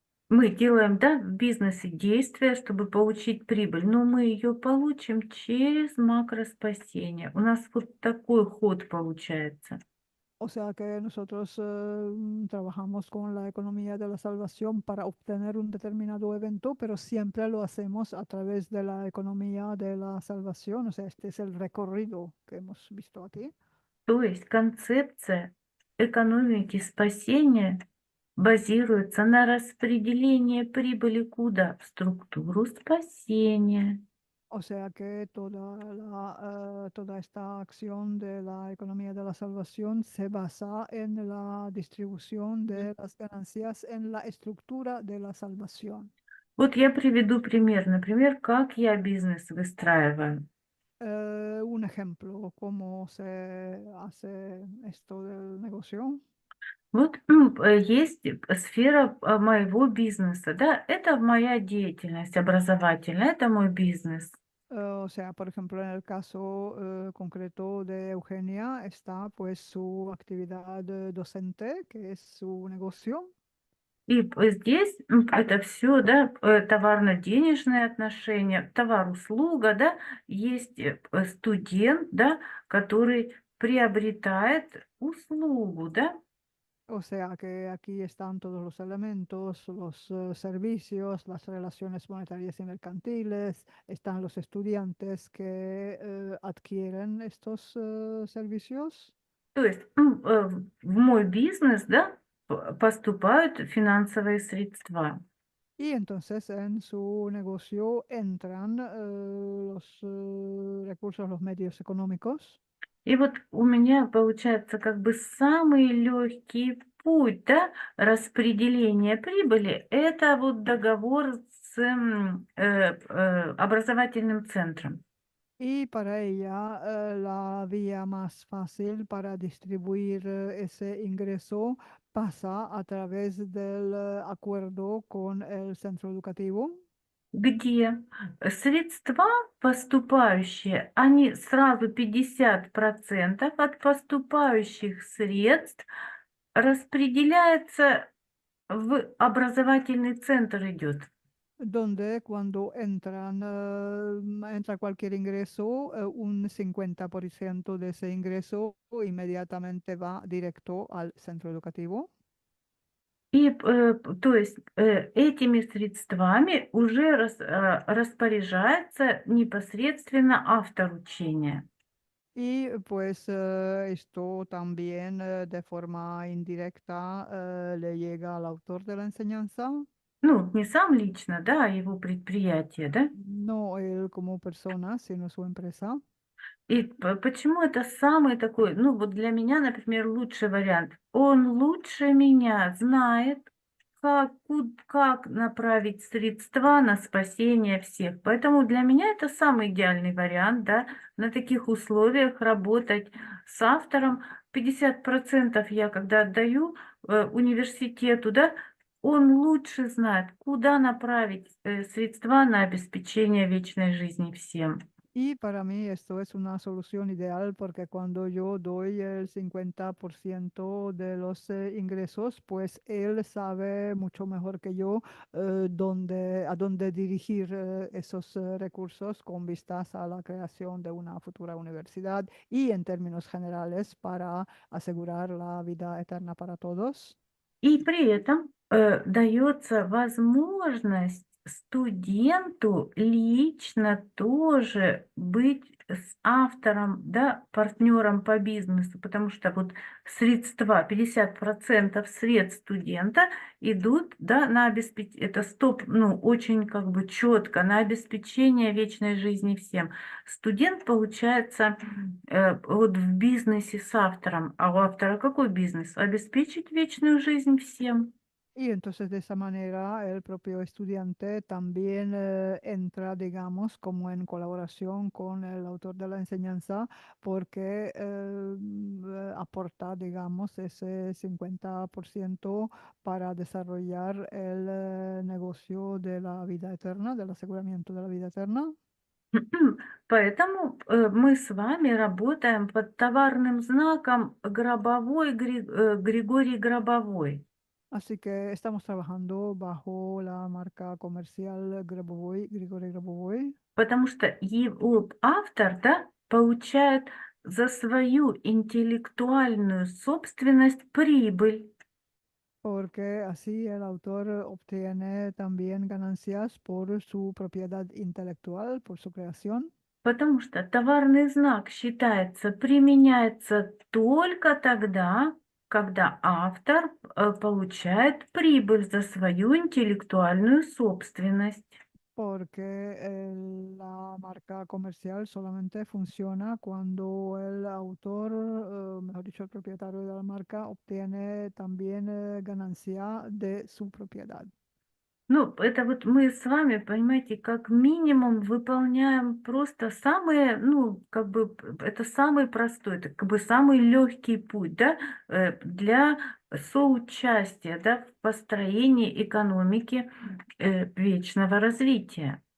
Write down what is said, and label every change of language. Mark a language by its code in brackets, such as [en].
[ru] Мы делаем, да, в бизнесе действия, чтобы получить прибыль, но мы ее получим через макроспасение. У нас вот такой ход получается. [es] O sea que nosotros trabajamos con la economía de la salvación para obtener un determinado evento, pero siempre lo hacemos a través de la economía de la salvación. O sea, este es el recorrido que hemos visto aquí. [ru] То есть концепция экономики спасения базируется на распределении прибыли куда? В структуру спасения. [es] O sea que toda esta acción de la economía de la salvación se basa en la distribución de las ganancias en la estructura de la salvación. [ru] Вот я приведу пример. Например, как я бизнес выстраиваю. [es] Un ejemplo, ¿cómo se hace esto del negocio? [ru] Вот есть сфера моего бизнеса, да, это моя деятельность образовательная, это мой бизнес. [es] O sea, por ejemplo, en el caso concreto de Eugenia está pues su actividad docente, que es su negocio. [ru] И здесь это все, да, товарно-денежные отношения, товар-услуга, да, есть студент, да, который приобретает услугу, да. [es] O sea que aquí están todos los elementos, los servicios, las relaciones monetarias y mercantiles, están los estudiantes que adquieren estos servicios. [ru] То есть в мой бизнес, да, поступают финансовые средства. [es] Y entonces en su negocio entran los recursos, los medios económicos. [ru] И вот у меня получается как бы самый легкий путь, да, распределения прибыли, это вот договор с образовательным центром. [es] Y para ella, la vía más fácil para distribuir ese ingreso pasa a través del acuerdo con el centro educativo. [ru] Где средства поступающие, они сразу 50% от поступающих средств распределяется в образовательный центр идет. [es] Donde cuando entra cualquier ingreso, un 50% de ese ingreso inmediatamente va directo al centro educativo. [ru] То есть этими средствами уже распоряжается непосредственно автор учения. [es] Y pues esto también de forma indirecta le llega al autor de la enseñanza. [ru] Ну, не сам лично, да, его предприятие, да? [es] No él como persona, sino su empresa. [ru] И почему это самый такой, ну вот для меня, например, лучший вариант? Он лучше меня знает, как направить средства на спасение всех. Поэтому для меня это самый идеальный вариант, да, на таких условиях работать с автором. 50% я когда отдаю университету, да, он лучше знает, куда направить средства на обеспечение вечной жизни всем. [es] Y para mí esto es una solución ideal porque cuando yo doy el 50% de los ingresos, pues él sabe mucho mejor que yo dónde, a dónde dirigir esos recursos con vistas a la creación de una futura universidad y en términos generales para asegurar la vida eterna para todos. [ru] И при этом дается возможность студенту лично тоже быть с автором, да, партнером по бизнесу, потому что вот средства, 50% средств студента идут, да, на обеспечение, это стоп, ну, очень как бы четко, на обеспечение вечной жизни всем. Студент получается вот в бизнесе с автором, а у автора какой бизнес? Обеспечить вечную жизнь всем. [es] Y entonces de esa manera el propio estudiante también entra, digamos, como en colaboración con el autor de la enseñanza porque aporta, digamos, ese 50% para desarrollar el negocio de la vida eterna, del aseguramiento de la vida eterna. [ru] Поэтому мы с вами работаем под товарным знаком Гробовой, Григорий Гробовой. [es] Así que estamos trabajando bajo la marca comercial Grabovoi, Grigori Grabovoi. [ru] Потому что его автор, да, получает за свою интеллектуальную собственность прибыль. [es] Porque así el autor obtiene también ganancias por su propiedad intelectual, por su creación. [ru] Потому что товарный знак считается, применяется только тогда, когда автор получает прибыль за свою интеллектуальную собственность. [es] Porque la marca comercial solamente funciona cuando el autor, mejor dicho, el propietario de la marca, obtiene también ganancia de su propiedad. [ru] Ну, это вот мы с вами, понимаете, как минимум выполняем просто самые, ну, как бы, это самый простой, это как бы самый легкий путь, да, для соучастия, да, в построении экономики, вечного развития.